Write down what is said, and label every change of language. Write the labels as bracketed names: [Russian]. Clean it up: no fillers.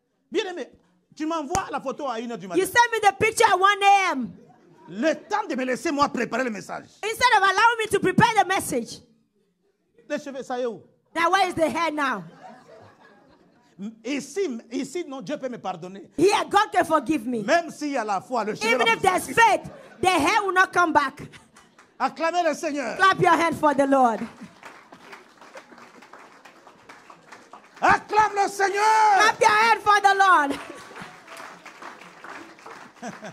[French] Bien aimé, tu m'envoies la photo à 1h du matin. [English] You send me the picture at 1 a.m. [French] Le temps de me laisser moi préparer le message. [English] Instead of allowing me to prepare the message. [French] Les cheveux, ça y est où? [English] Now, where is the hair now? [French] Ici, non, Dieu peut me pardonner. [English] Here, God can forgive me. [French] Même s'il y a la foi, le cheveu. [English] Even if there's faith, the hair will not come back. [French] Acclamez le Seigneur. [English] Clap your hand for the Lord. [French] Acclame le Seigneur. [English] Clap your hand for the Lord.